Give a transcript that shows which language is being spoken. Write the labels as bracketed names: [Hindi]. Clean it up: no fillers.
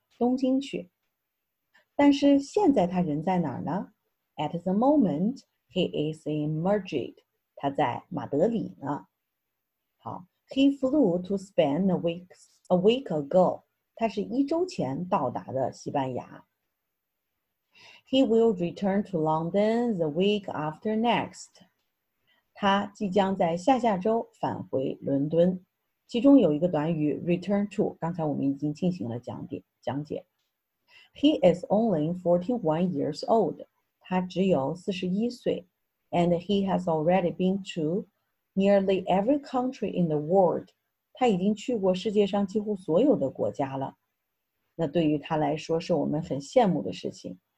[Chinese] 东京去。但是现在他人在哪儿呢 ？ [English] At the moment, he is in Madrid。 [Chinese] 他在马德里呢。好 ， [English] He flew to Spain a week ago。 [Chinese] 他是一周前到达的西班牙。 [English] He will return to London the week after next. [Chinese] 他即将在下下周返回伦敦。其中有一个短语 return to, 刚才我们已经进行了讲解。 [English] He is only 41 years old. [Chinese] 他只有41岁。 [English] And he has already been to nearly every country in the world. [Chinese] 他已经去过世界上几乎所有的国家了。那对于他来说是我们很羡慕的事情。